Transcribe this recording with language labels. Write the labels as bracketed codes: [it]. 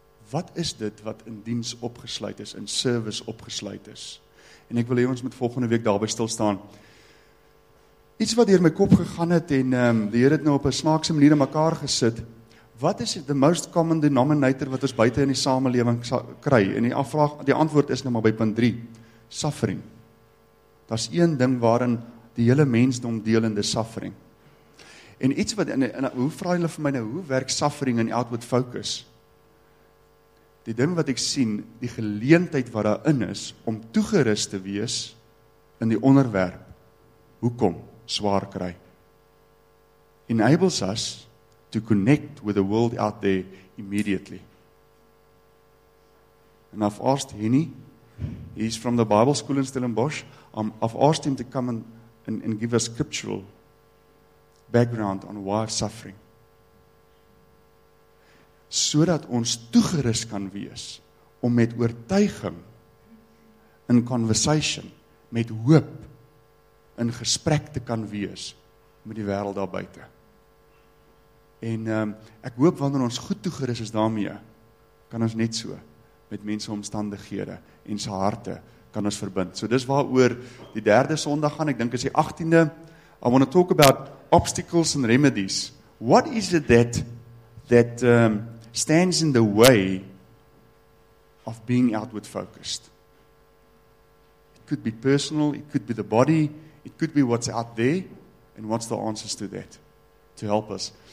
[af] Wat is dit wat in diens opgesluit is, [en] in service [af] opgesluit is? En ek wil hê ons moet volgende week daarby stilstaan. iets wat deur my kop gegaan het en die Here het nou op 'n snaakse manier in mekaar gesit. Wat is [en] the most common denominator [af] wat ons buite in die samelewing kry? En die afvraag, die antwoord is nou maar by punt 3. Suffering. Daar's een ding waarin die hele mensdom deel in, dis suffering. En iets wat in hoe vra hulle vir my nou, hoe werk suffering in outward focus? Die ding wat ek sien, die geleentheid wat daarin is om toegerus te wees in die onderwerp. Hoekom swaar kry? [en] Enables us to connect with the world out there immediately. And I've asked Henny, he's from the Bible school in Stellenbosch, I've asked him to come and give a scriptural background on why suffering. [af] Sodat ons toegerus kan wees om met oortuiging [en] in conversation, [af] met hoop in gesprek te kan wees met die wêreld daar buite. En ek hoop wanneer ons goed toegerus is daarmee, kan ons net so met mense omstandighede en se harte kan ons verbind. So dis waaroor die derde Sondag gaan, ek dink is die 18de. [en] I want to talk about obstacles and remedies. What is it that stands in the way of being outward focused? It could be personal, it could be the body, it could be what's out there, and what's the answers to that to help us.